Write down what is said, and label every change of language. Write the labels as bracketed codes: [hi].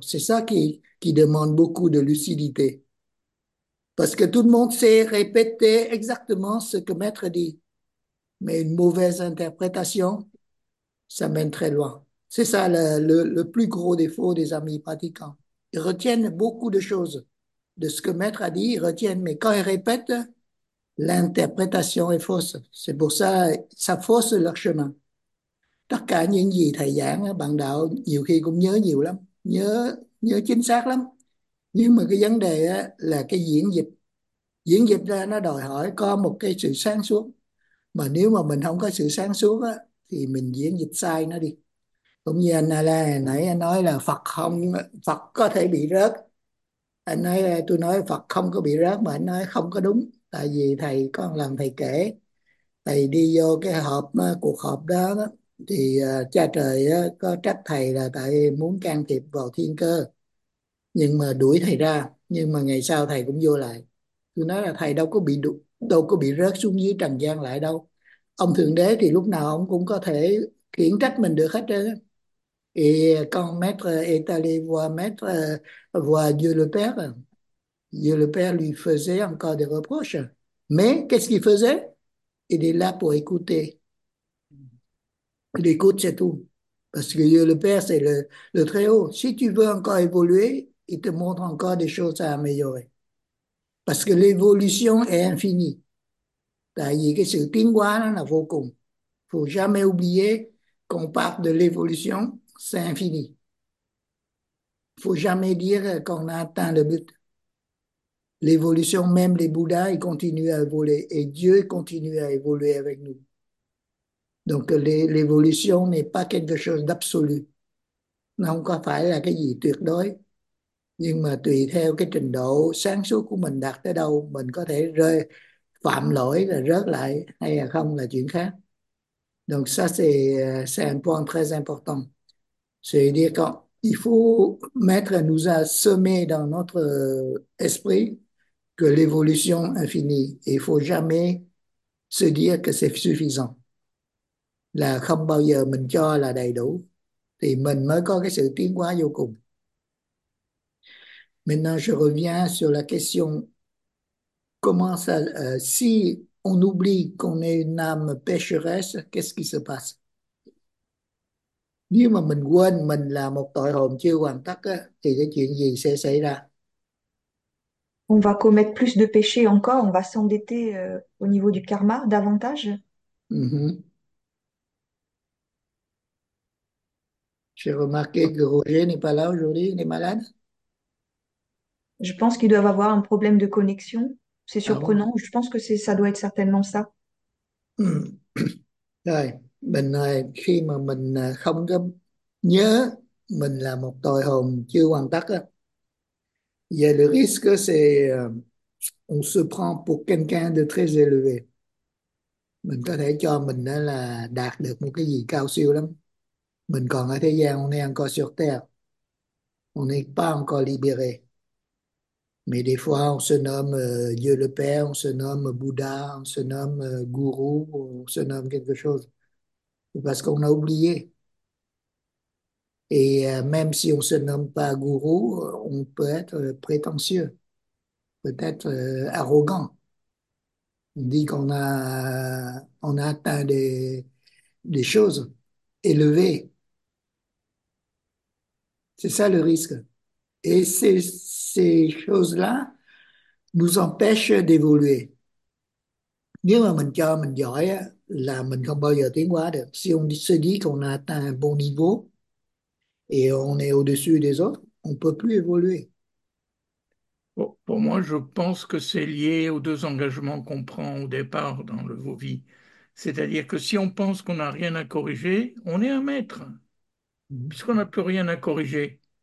[fr] C'est ça qui demande beaucoup de lucidité. Parce que tout le monde sait répéter exactement ce que Maître dit, mais une mauvaise interprétation, ça mène très loin. C'est ça le plus gros défaut des amis pratiquants. Ils retiennent beaucoup de choses de ce que Maître a dit, ils retiennent, mais quand ils répètent, L'interprétation est fausse. C'est pour ça, ça fausse leur chemin. [vi] Tất cả những gì thầy giảng, bạn đạo nhiều khi cũng nhớ nhiều lắm, nhớ nhớ chính xác lắm. Nhưng mà cái vấn đề là cái diễn dịch. Diễn dịch ra nó đòi hỏi có một cái sự sáng suốt. Mà nếu mà mình không có sự sáng suốt á, thì mình diễn dịch sai nó đi. Cũng như anh Alain nãy anh nói là Phật không, Phật có thể bị rớt. Anh nói, tôi nói Phật không có bị rớt mà anh nói không có đúng. Tại vì thầy có lần thầy kể, thầy đi vô cái họp, cuộc họp đó, đó thì cha trời có trách thầy là tại muốn can thiệp vào thiên cơ, nhưng mà đuổi thầy ra, nhưng mà ngày sau thầy cũng vô lại. Tôi nói là thầy đâu có bị rớt xuống dưới trần gian lại đâu. Ông Thượng Đế thì lúc nào ông cũng có thể khiển trách mình được hết trơn. Thì con [fr] maître Italie voit maître voit Dieu le Père. Dieu le Père lui faisait encore des reproches. Mais qu'est-ce qu'il faisait? Il est là pour écouter. Il écoute, c'est tout. Parce que Dieu le Père, c'est le Très-Haut. Si tu veux encore évoluer, il te montre encore des choses à améliorer. Parce que l'évolution est infinie. [vi] Tại vì cái sự tiến hóa nó là vô cùng. [fr] Faut jamais oublier qu'on parle de l'évolution, c'est infini. Faut jamais dire qu'on a atteint le but. L'évolution, même les Bouddhas, ils continuent à évoluer et Dieu continue à évoluer avec nous. Donc l'évolution n'est pas quelque chose d'absolu. [vi] Nó không có phải là cái gì tuyệt đối. Nhưng mà tùy theo cái trình độ sáng suốt của mình đạt tới đâu, mình có thể rơi phạm lỗi là rớt lại hay là không là chuyện khác. [fr] Donc ça c'est un point très important. C'est dire quand il faut mettre, nous a semé dans notre esprit que l'évolution est finie. Il faut jamais se dire que c'est suffisant. [vi] Là không bao giờ mình cho là đầy đủ thì mình mới có cái sự tiến hóa vô cùng. [fr] Maintenant, je reviens sur la question. Comment ça, si on oublie qu'on est une âme pécheresse, qu'est-ce qui se passe? [vi] Nếu mà mình quên mình là một tội hồn chưa hoàn tất á, thì cái chuyện gì sẽ xảy ra? [fr] On va commettre plus de péchés encore, on va s'endetter au niveau du karma davantage. J'ai remarqué que Roger n'est pas là aujourd'hui, il est malade. Je pense qu'ils doivent avoir un problème de connexion. C'est Ah bon? surprenant. Je pense que ça doit être certainement ça. [vi] Rồi, mình ơi, khi mà mình không có nhớ mình là một tội hồn chưa hoàn tất á, giờ [fr] le risque c'est on se prend pour quelqu'un de très élevé. [vi] Mình có thể cho mình đó là đạt được một cái gì cao siêu lắm. Mình còn ở thế gian, [fr] on est encore sur terre. On n'est pas encore libéré. Mais des fois, on se nomme Dieu le Père, on se nomme Bouddha, on se nomme Gourou, on se nomme quelque chose. Parce qu'on a oublié. Et même si on ne se nomme pas Gourou, on peut être prétentieux, peut-être arrogant. On dit qu'on a atteint des choses élevées. C'est ça le risque. Et ces choses-là nous empêchent d'évoluer. [vi] Nếu mà mình cho mình giỏi á, là mình không bao giờ tiến hóa được. [fr] Si on se dit qu'on a atteint un bon niveau et on est au-dessus des autres, on ne peut plus évoluer. Pour moi, je pense que c'est lié aux deux engagements qu'on prend au départ dans le Vovi. C'est-à-dire que si on pense qu'on n'a rien à corriger, on est un maître, puisqu'on n'a plus rien à corriger.